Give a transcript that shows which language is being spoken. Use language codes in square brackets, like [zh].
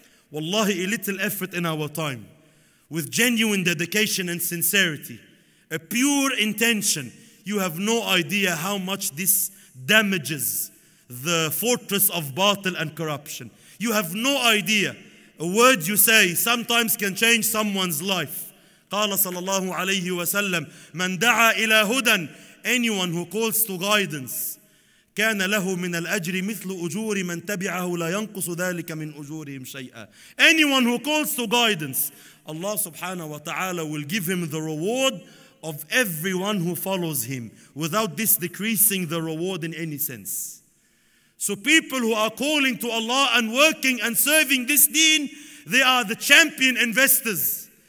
[en] Wallahi, a little effort in our time, with genuine dedication and sincerity, a pure intention, you have no idea how much this damages the fortress of batil and corruption. You have no idea. A word you say sometimes can change someone's life. [ar] قال صلى الله عليه وسلم من دعا إلى هدى. [en] Anyone who calls to guidance, [ar] كان له من الأجر مثل أجور من تبعه لا ينقص ذلك من أجورهم شيئا. [en] Anyone who calls to guidance, Allah subhanahu wa ta'ala will give him the reward of everyone who follows him, without this decreasing the reward in any sense. So people who are calling to Allah and working and serving this deen, they are the champion investors.